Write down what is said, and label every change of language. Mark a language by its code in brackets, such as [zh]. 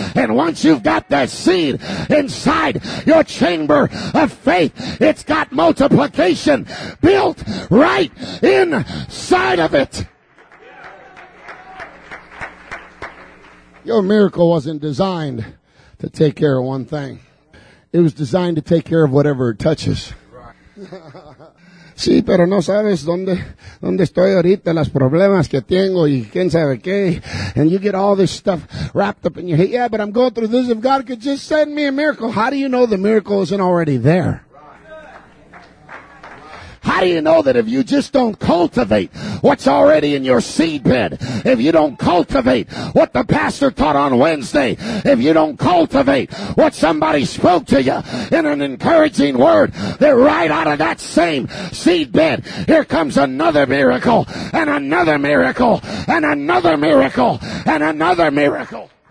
[en] And once you've got that seed inside your chamber of faith, it's got multiplication built right inside of it. Your miracle wasn't designed to take care of one thing. It was designed to take care of whatever it touches. [es] Sí, pero no sabes dónde estoy ahorita, las problemas que tengo y quién sabe qué. [en] And you get all this stuff wrapped up in your head. Yeah, but I'm going through this. If God could just send me a miracle, how do you know the miracle isn't already there? How do you know that if you just don't cultivate what's already in your seedbed, if you don't cultivate what the pastor taught on Wednesday, if you don't cultivate what somebody spoke to you in an encouraging word, that right out of that same seedbed, here comes another miracle, and another miracle, and another miracle, and another miracle.